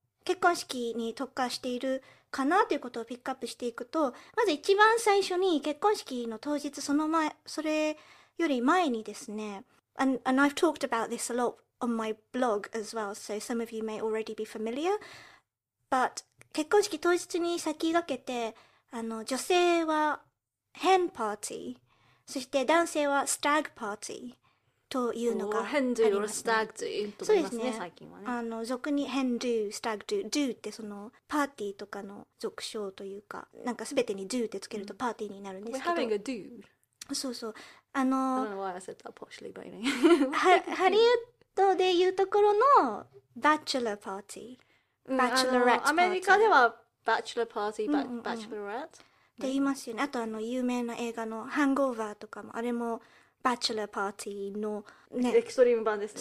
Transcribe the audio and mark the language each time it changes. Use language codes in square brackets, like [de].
[ja] 結婚式に特化しているかなということをピックアップしていくと、まず一番最初に結婚式の当日、その前、それより前にですね、 [en] and I've talked about this a lot on my blog as well, so some of you may already be familiar, but [ja] 結婚式当日に先駆けて、女性は hen party、 そして男性は stag partyというのがありますね。ヘンドゥーとスタグドゥーと言いますね、最近はね。俗にヘンドゥー、スタグドゥー、ドゥーってそのパーティーとかの俗称というか、なんか全てにドゥーってつけるとパーティーになるんですけど。 [en] We're having a dude. [ja] そうそう。 [en] I don't know why I said that partially, but anyway. [ja] ハリウッドでいうところのバチュラーパーティー。バチュラレット。アメリカではバチュラーパーティー、バチュラレットって言いますよね。あと有名な映画のハングオーバーとかも、あれも。バチュラーパーティーの、ね、エクストリーム版ですね。